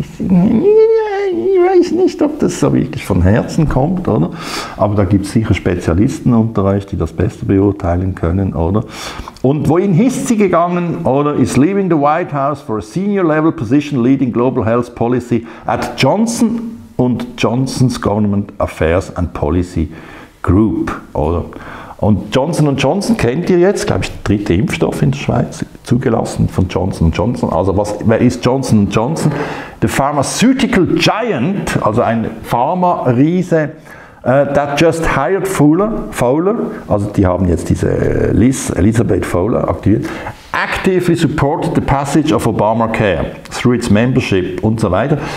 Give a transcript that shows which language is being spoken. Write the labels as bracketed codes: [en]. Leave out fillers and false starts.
[de] Ich weiß nicht, ob das so wirklich von Herzen kommt, oder? Aber da gibt es sicher Spezialisten unter euch, die das besser beurteilen können, oder? Und wohin ist sie gegangen, oder? [en] Is leaving the White House for a senior level position leading global health policy at Johnson and Johnson's Government Affairs and Policy Group, oder? [de] Und Johnson & Johnson kennt ihr jetzt, glaube ich, der dritte Impfstoff in der Schweiz, zugelassen von Johnson & Johnson. Also wer ist Johnson & Johnson? [en] The pharmaceutical giant, [de] also ein Pharma-Riese, [en] that just hired Fowler, [de] also die haben jetzt diese Elizabeth Fowler aktiviert, [en] actively supported the passage of Obamacare through its membership [de] und so weiter.